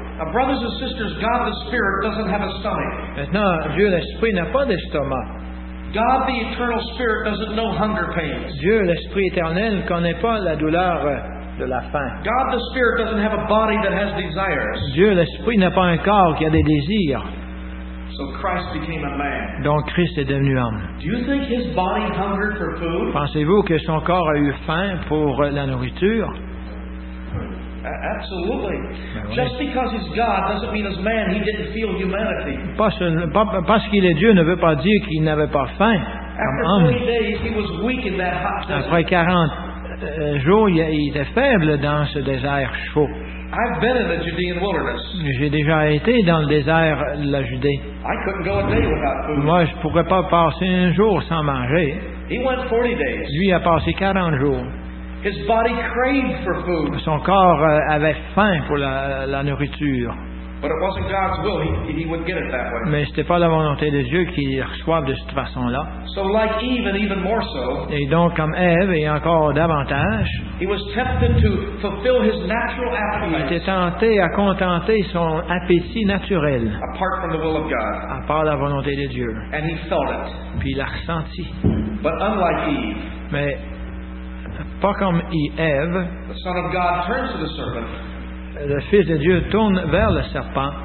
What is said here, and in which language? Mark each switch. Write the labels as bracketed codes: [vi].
[en] Now, brothers and sisters, God the Spirit doesn't have a stomach. [fr] Maintenant, Dieu l'Esprit n'a pas d'estomac. [en] God the eternal spirit doesn't know hunger pains. [fr] Dieu l'esprit éternel ne connaît pas la douleur de la faim. [en] God the spirit doesn't have a body that has desires. [fr] Dieu l'esprit n'a pas un corps qui a des désirs. [en] So Christ became a man. [fr] Donc Christ est devenu homme. [en] Do you think his body hungered for food? [fr] Pensez-vous que son corps a eu faim pour la nourriture? [en] Absolutely. [fr] Ben oui. [en] Just because he's God doesn't mean as man he didn't feel humanity. [fr] Parce qu'il est Dieu ne veut pas dire qu'il n'avait pas faim. Comme [en] after 40 days he was weak in that hot desert. [fr] Après 40 jours, il était faible dans ce désert chaud. [en] I've been in the Judean wilderness. [fr] J'ai déjà été dans le désert de la Judée. [en] I couldn't go a day without food. [fr] Moi, je pourrais pas passer un jour sans manger. [en] He went 40 days. [fr] Lui a passé 40 jours. [en] His body craved for food. [fr] Son corps avait faim pour la nourriture. [en] But it wasn't God's will. He would get it that way. [fr] Mais c'était pas la volonté de Dieu qu'il reçoive de cette façon-là. [en] So like Eve, and even more so. [fr] Et donc comme Ève et encore davantage. [en] He was tempted to fulfill his natural appetite. [fr] Il était tenté à contenter son appétit naturel. [en] Apart from the will of God. [fr] À part la volonté de Dieu. [en] And he felt it. [fr] Puis il l'a ressenti. [en] But unlike Eve. [fr] Mais pas comme Eve, [en] the Son of God turns to the serpent, [fr] le Fils de Dieu tourne vers le serpent